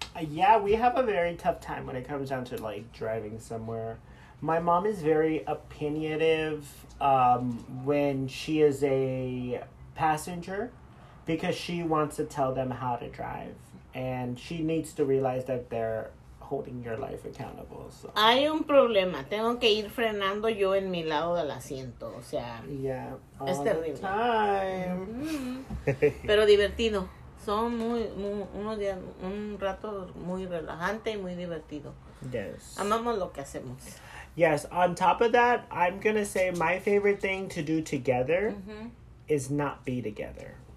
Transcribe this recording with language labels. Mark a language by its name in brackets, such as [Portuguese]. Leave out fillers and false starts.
[English] Yeah, we have a very tough time when it comes down to, like, driving somewhere. My mom is very opinionative when she is a passenger because she wants to tell them how to drive. And she needs to realize that they're holding your life accountable. So. [Spanish] Hay un problema. Tengo que ir frenando yo en mi lado del asiento. O sea, [English] yeah, [Spanish] es terrible. Mm-hmm. Pero divertido. Son un rato muy relajante y muy divertido. [English] Yes. [Spanish] Amamos lo que hacemos. [English] Yes. On top of that, I'm going to say my favorite thing to do together is not be together.